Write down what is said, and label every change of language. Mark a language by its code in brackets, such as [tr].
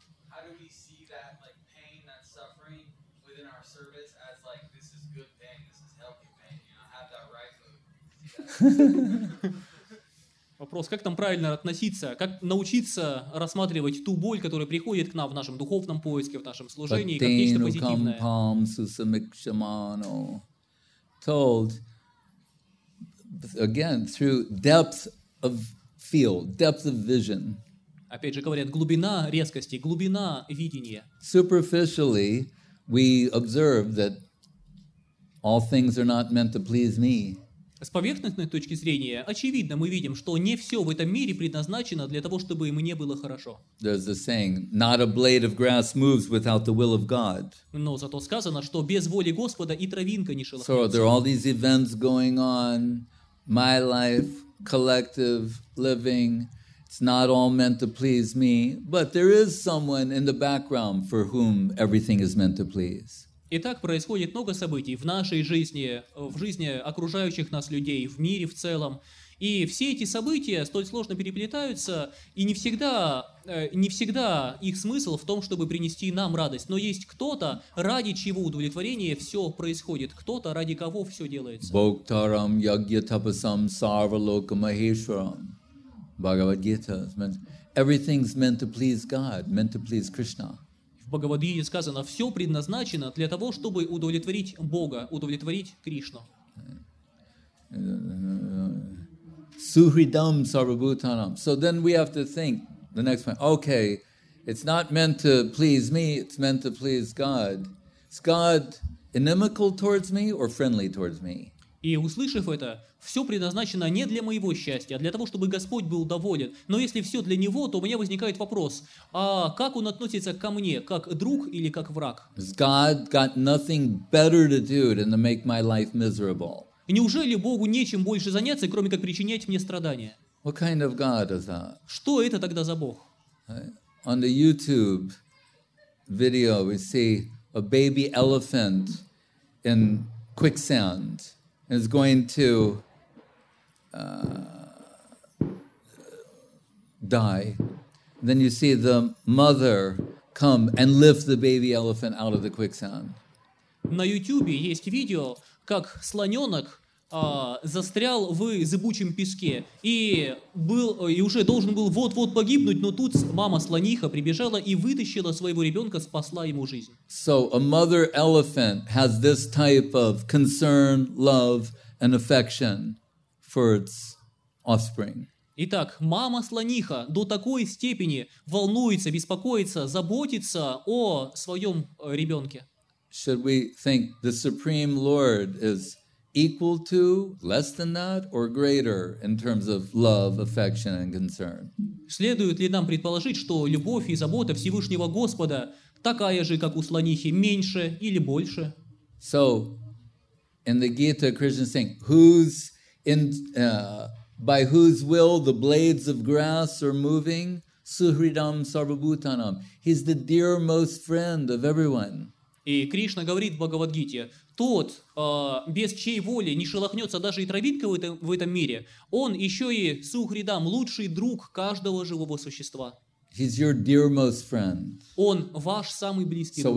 [en] How do we see that like pain, that suffering within our service as like this is good pain, this is healthy pain, you know, have that right mood? [ru] Вопрос, как там правильно относиться, как научиться рассматривать ту боль, которая приходит к нам в нашем духовном поиске, в нашем служении, как нечто позитивное. [en] Palm Susamikshamano told again through depth of field, depth of vision. [ru] Опять же говорят, глубина резкости, глубина видения. [en] Superficially, we observe that all things are not meant to please me. [ru] С поверхностной точки зрения, очевидно, мы видим, что не все в этом мире предназначено для того, чтобы мне было хорошо. [en] There's a saying, not a blade of grass moves without the will of God. [ru] Но зато сказано, что без воли Господа и травинка не шелохнется. [en] So there are all these events going on, my life, collective, living. It's not all meant to please me, but there is someone in the background for whom everything is meant to please. [ru] И так происходит много событий в нашей жизни, в жизни окружающих нас людей, в мире в целом. И все эти события столь сложно переплетаются, и не всегда их смысл в том, чтобы принести нам радость. Но есть кто-то, ради чего удовлетворение все происходит, кто-то, ради кого все делается. [sa] Боктарам Ягьятапасам Сарвалока Махешварам. Бхагавад-гита. [en] Everything's meant to please God, meant to please Krishna. [ru] В Бхагавад-гите сказано, все предназначено для того, чтобы удовлетворить Бога, удовлетворить Кришну. [sa] Сухридам сарвабутанам. [en] So then we have to think, the next point, okay, it's not meant to please me, it's meant to please God. Is God inimical towards me or friendly towards me? [ru] И услышав это, все предназначено не для моего счастья, а для того, чтобы Господь был доволен. Но если все для Него, то у меня возникает вопрос, а как Он относится ко мне, как друг или как враг? [en] God got nothing better to do than to make my life miserable? [ru] Неужели Богу нечем больше заняться, кроме как причинять мне страдания? [en] What kind of God is that? [ru] Что это тогда за Бог? [en] On the YouTube video we see a baby elephant in quicksand. Is going to die. Then you see the mother come and lift the baby elephant out of the quicksand. [ru] На YouTube есть видео, как слоненок застрял в зыбучем песке и уже должен был вот-вот погибнуть, но тут мама слониха прибежала и вытащила своего ребенка, спасла ему жизнь. [en] So a mother elephant has this type of concern, love, and affection for its offspring. [ru] Итак, мама слониха до такой степени волнуется, беспокоится, заботится о своем ребенке. [en] Should we think the Supreme Lord is equal to, less than that, or greater in terms of love, affection, and concern? [ru] Следует ли нам предположить, что любовь и забота Всевышнего Господа такая же, как у слонихи, меньше или больше? [en] So, in the Gita, Krishna is saying, whose in by whose will the blades of grass are moving? [sa] Suhridam sarvabhutanam. [en] He's the dearmost friend of everyone. [ru] И Кришна говорит в Бхагавад-гите, тот, без чьей воли не шелохнется даже и травинка в этом мире, он еще и Сухридам, лучший друг каждого живого существа. [en] He's your dearmost friend. [ru] Он ваш самый близкий друг.